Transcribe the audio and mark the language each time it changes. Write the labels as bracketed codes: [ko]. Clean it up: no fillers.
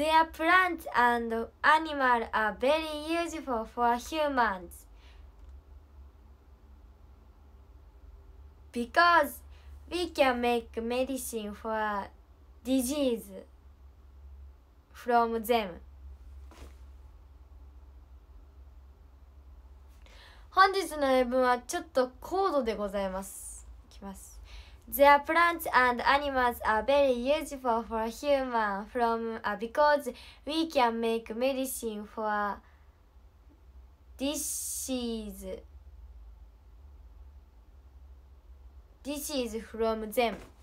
[en] Their plants and animals are very useful for humans because we can make medicine for disease from them。 [ja] 本日の英文はちょっと高度でございます。いきます。 [en] Their plants and animals are very useful for human from because we can make medicine for disease from them。